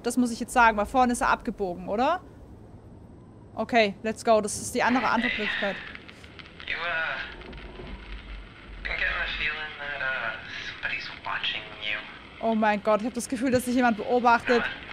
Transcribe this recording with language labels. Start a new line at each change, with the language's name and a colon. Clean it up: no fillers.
German: Das muss ich jetzt sagen, weil vorhin ist er abgebogen, oder?
English: Okay, let's go.
German: Das ist die andere Antwortmöglichkeit.
English: You, been getting the feeling that, somebody's watching you.
German: Oh mein Gott, ich habe das Gefühl, dass sich jemand beobachtet.